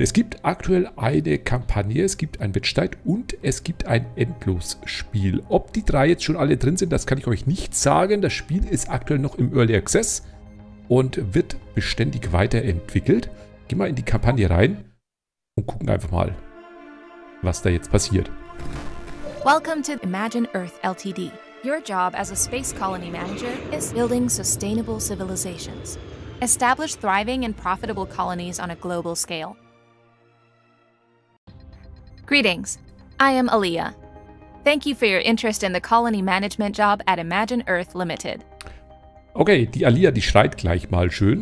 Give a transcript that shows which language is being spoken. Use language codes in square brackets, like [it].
[de] Es gibt aktuell eine Kampagne, es gibt einen Wettstreit und es gibt ein Endlosspiel. Ob die drei jetzt schon alle drin sind, das kann ich euch nicht sagen. Das Spiel ist aktuell noch im Early Access und wird beständig weiterentwickelt. Gehen wir in die Kampagne rein und gucken einfach mal, was da jetzt passiert. [en] Welcome to Imagine Earth LTD. Your job as a space colony manager is building sustainable civilizations. Establish thriving and profitable colonies on a global scale. Greetings, I am Alia. Thank you for your interest in the colony management job at Imagine Earth Limited. [de] Okay, die Alia, die schreit gleich mal schön.